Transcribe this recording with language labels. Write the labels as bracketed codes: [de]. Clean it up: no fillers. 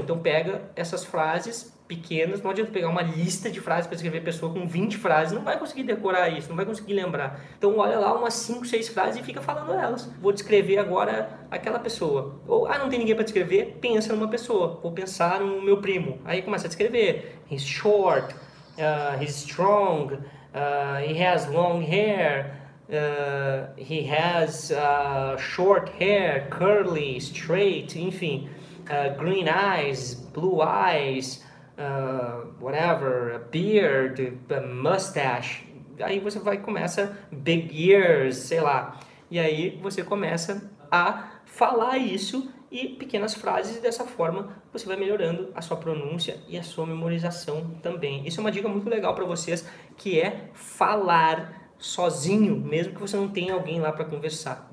[pt] Então pega essas frases pequenas, não adianta pegar uma lista de frases para escrever pessoa com 20 frases, não vai conseguir decorar isso, não vai conseguir lembrar. Então olha lá umas 5, 6 frases e fica falando elas. Vou descrever agora aquela pessoa. Ou, ah, não tem ninguém para descrever? Pensa numa pessoa. Vou pensar no meu primo. Aí começa a descrever. [en] He's short, he's strong, he has long hair. He has short hair, curly, straight, [pt] enfim, [en] green eyes, blue eyes, whatever, a beard, a mustache. [pt] Aí você vai começa [en] big ears, [pt] sei lá. E aí você começa a falar isso e pequenas frases, e dessa forma você vai melhorando a sua pronúncia e a sua memorização também. Isso é uma dica muito legal para vocês, que é falar sozinho, mesmo que você não tenha alguém lá para conversar.